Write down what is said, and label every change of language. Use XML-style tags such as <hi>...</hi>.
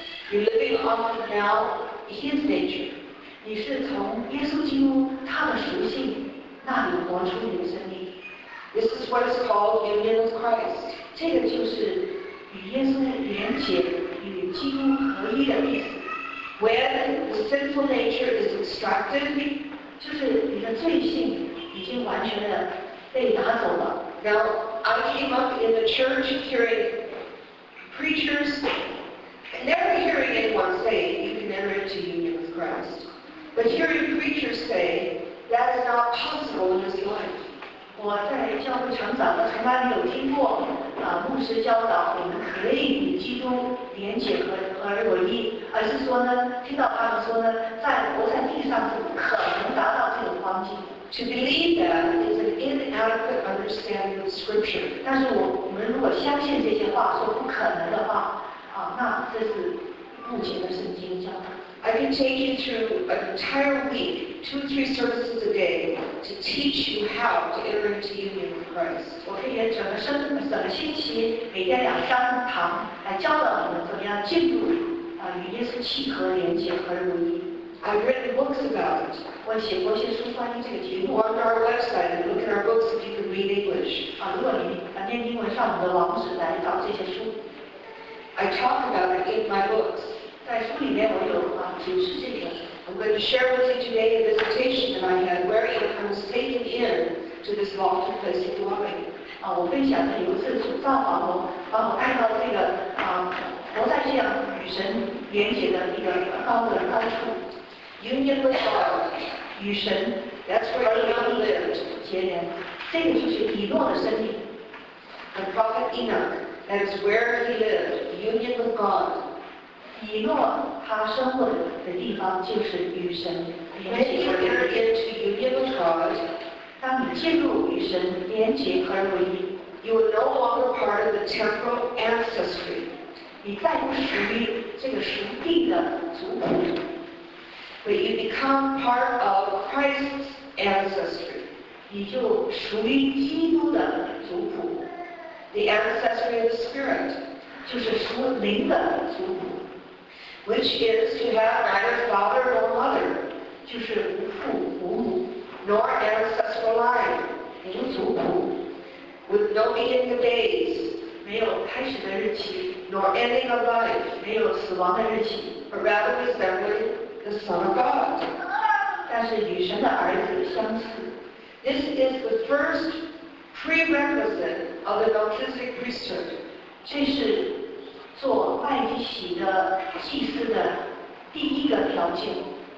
<en>You're living off of now His nature.</en> <zh>你是从耶稣基督他的属性那里活出你的生命。</zh> <en>This is what is called union with Christ.</en> <zh>这个就是与耶稣连结，与基督合一的意思。</zh> <en>When the sinful nature is extracted,</en> <zh>就是你的罪性已经完全的被拿走了。</zh> <en>Now I came up in the church hearing preachers never hearing anyone say you can enter into union with Christ, but hearing preachers say that is not possible in this life.</en> <zh>我在教会成长的，从来没有听过牧师教导我们可以与基督连结合而为一，而是说呢，听到他们说呢，在活在地上是不可能达到这种光景。</zh> <en>To believe that is an inadequate understanding of Scripture.</en> <zh>但是我们如果相信这些话，说不可能的话，那这是目前的圣经教导。</zh> <en>I can take you through an entire week, 2-3 services a day, to teach you how to enter into union with Christ.</en> <zh>我可以整个星期每天两三堂来教导我们怎么样进入与耶稣契合、连接和如意。</zh> <en>I've written books about it.</en> <zh>我写书关于这个题目。</zh> <en>Go on our website and look at our books if you can read English.</en> <zh>如果你念英文，上我们的网址来找这些书。</zh> <en>I talk about it in my books.</en> <zh>在书里面我有解释这个。</zh> <en>I'm going to share with you today a visitation that I had where I was taken in to this altar place of glory.</en> <zh>我分享的有一次主造访我，把我带到这个活在这样与神连结的一个高的高处。</zh> <en>Union with God,</en> <zh>与神</zh> <en>，That's where he lived.</en> <zh>结连，这个就是以诺的生命。</zh> <en>The prophet Enoch, that's where he lived. Union with God.</en> <zh>以诺他生活的地方就是与神连结合一。</zh> <en>When you enter into union with</en> <zh>God, 当你进入与神连结合为一</zh> <en>，you are no longer part of the temporal ancestry.</en> <zh>你再不属于这个属地的族谱。</zh> <en>But you become part of Christ's ancestry.</en> <zh>你就属于基督的族谱。</zh> <en>The ancestry of the Spirit.</en> <zh>就是属灵的族谱。</zh> <en>Which is to have neither father nor mother,</en> <zh>就是无父无母</zh> <en>nor ancestral line,</en> <zh>没有祖谱</zh> <en>with no beginning of days,</en> <zh>没有开始的日期</zh> <en>nor ending of life,</en> <zh>没有死亡的日期</zh> <en>but rather resembling the Son of God,</en> <zh>但是与神的儿子相似</zh> <en>This is the first prerequisite of the Melchizedek priesthood,</en> <zh>这是做麦基洗德祭司的第一个条件</zh>